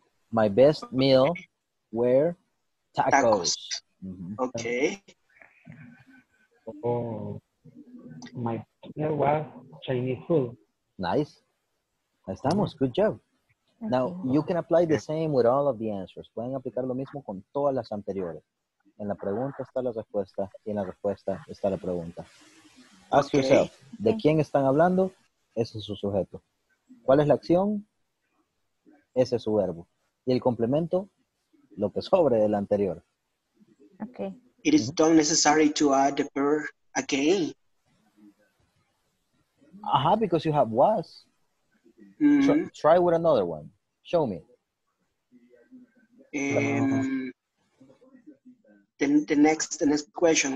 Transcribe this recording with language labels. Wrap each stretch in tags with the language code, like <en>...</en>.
<en>My best meal were tacos. Tacos. Mm-hmm. Okay. Oh, my meal was Chinese food. Nice.</en> <es>Ahí estamos.</es> <en>Good job. Now, you can apply the same with all of the answers.</en> <es>Pueden aplicar lo mismo con todas las anteriores. En la pregunta está la respuesta y en la respuesta está la pregunta.</es> <en>Ask okay. yourself,</en> <es>¿de quién están hablando? Ese es su sujeto. ¿Cuál es la acción? Ese es su verbo. Y el complemento, lo que sobre del anterior.</es> <en>Okay. It is not necessary to add the verb again. Ajá, because you have was. Mm-hmm. Try with another one. Show me. The next question.</en>